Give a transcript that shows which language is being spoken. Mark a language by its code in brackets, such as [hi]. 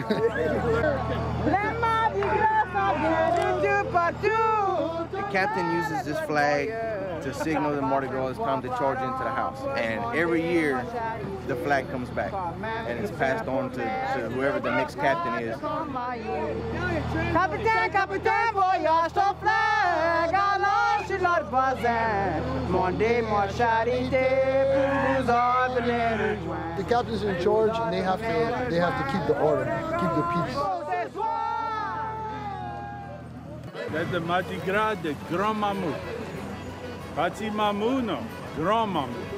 [fr] Le Mardi Gras, ça vient de tout partout. [en] Captain uses this flag to signal that Mardi Gras is time to charge into the house. And every year, the flag comes back and it's passed on to whoever the next captain is. [fr] Captain, Captain, voyage ton flag, allons sur leur voisin. Mandez-moi charité pour vous ordonner. [en] The captain's in charge and they have to keep the order, keep the peace. That's the Mardi Gras, the Grand Mamou. Pati Mamou, no, Grand Mamou.